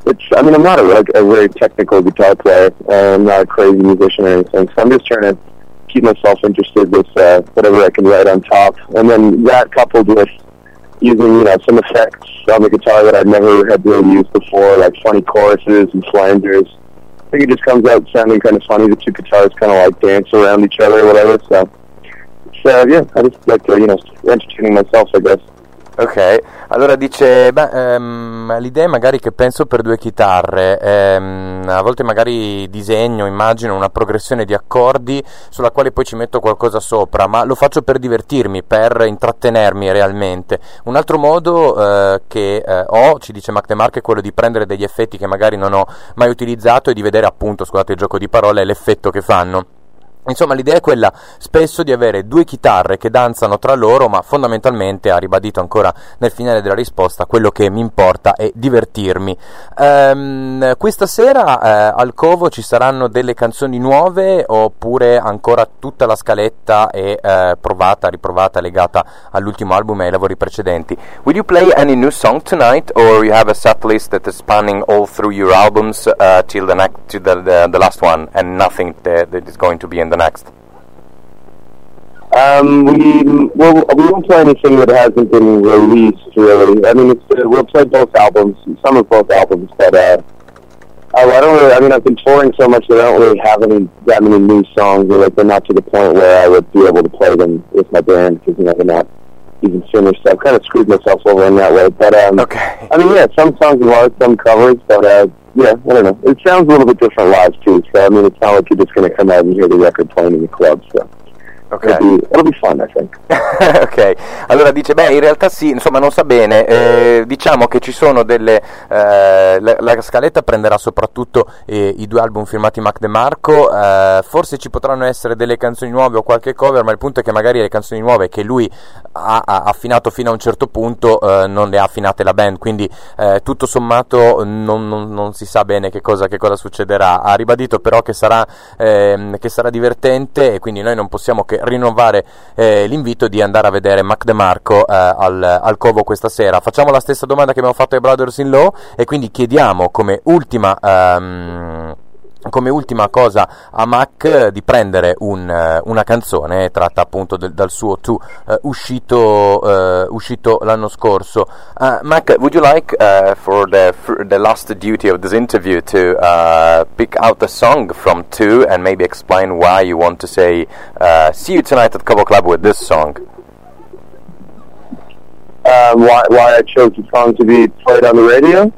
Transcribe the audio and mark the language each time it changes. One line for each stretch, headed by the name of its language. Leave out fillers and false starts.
English: I'm not a very technical guitar player, I'm not a crazy musician or anything, so I'm just trying to keep myself interested with whatever I can write on top, and then that coupled with using, you know, some effects on the guitar that I've never had really used before, like funny choruses and flangers. I think it just comes out sounding kind of funny. The two guitars kind of like dance around each other or whatever. So yeah, I just like to, you know, entertaining myself, I guess.
Italian: Ok, allora dice, l'idea è magari che penso per due chitarre, a volte magari disegno, immagino una progressione di accordi sulla quale poi ci metto qualcosa sopra, ma lo faccio per divertirmi, per intrattenermi realmente. Un altro modo che ho, ci dice Mac DeMarco, è quello di prendere degli effetti che magari non ho mai utilizzato e di vedere, appunto, scusate il gioco di parole, l'effetto che fanno. Insomma, l'idea è quella spesso di avere due chitarre che danzano tra loro, ma fondamentalmente, ha ribadito ancora nel finale della risposta, quello che mi importa è divertirmi. Questa sera al Covo ci saranno delle canzoni nuove, oppure ancora tutta la scaletta è provata, riprovata, legata all'ultimo album e ai lavori precedenti?
English: Will you play any new song tonight, or you have a set list that is spanning all through your albums till the last one, and nothing that is going to be the next? We won't play anything that hasn't been released, really. I mean, we'll play both albums, some of both albums, but I've been touring so much that I don't really have that many new songs, or like they're not to the point where I would be able to play them with my band, because, you know, they're not even finished. So I've kind of screwed myself over in that way, but okay. I mean, yeah, some songs are, some covers, but yeah, I don't know. It sounds a little bit different live, too. So, I mean, it's not like you're just going to come out and hear the record playing in the club, so... Okay. It'll be fun, I think.
Italian: Ok, allora dice, in realtà sì, insomma non sa bene, diciamo che ci sono delle, la scaletta prenderà soprattutto i due album firmati Mac DeMarco, forse ci potranno essere delle canzoni nuove o qualche cover, ma il punto è che magari le canzoni nuove che lui ha affinato fino a un certo punto non le ha affinate la band, quindi tutto sommato non si sa bene che cosa succederà. Ha ribadito però che sarà divertente, e quindi noi non possiamo che rinnovare l'invito di andare a vedere Mac DeMarco al Covo questa sera. Facciamo la stessa domanda che abbiamo fatto ai Brothers in Law, e quindi chiediamo come ultima cosa a Mac di prendere una canzone tratta appunto dal suo Two uscito l'anno scorso.
English: Mac, would you like for the last duty of this interview to pick out a song from Two and maybe explain why you want to say see you tonight at Cobo Club with this song? Why I chose the song to be played on the radio?